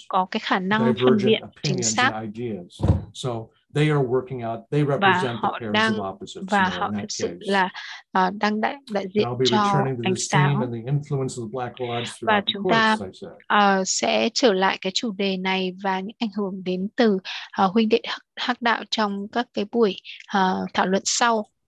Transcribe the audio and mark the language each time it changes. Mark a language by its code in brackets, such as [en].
[vi] có cái khả năng phân biệt chính xác. [en] So they are working out, they represent the pairs [vi] đang, [en] of opposites. [vi] Và họ thực sự là đang đại diện cho ánh sáng. [en] And the influence of the Black Lodge [vi] và chúng ta sẽ trở lại cái chủ đề này và những ảnh hưởng đến từ huynh đệ hắc đạo trong các cái buổi thảo luận sau.